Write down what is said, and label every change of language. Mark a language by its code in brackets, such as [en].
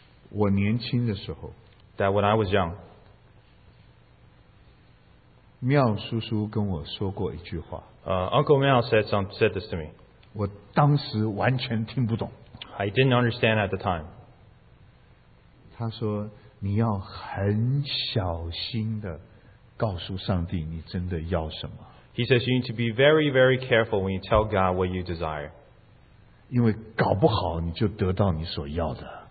[zh] 我年轻的时候 [en] That when I was young [zh] 妙叔叔跟我说过一句话 [en] Uncle Mel said this to me [zh] 我当时完全听不懂 [en] I didn't understand at the time [zh] 他说你要很小心的告诉上帝你真的要什么 [en] He says you need to be very very careful when you tell God what you desire [zh] 因为搞不好你就得到你所要的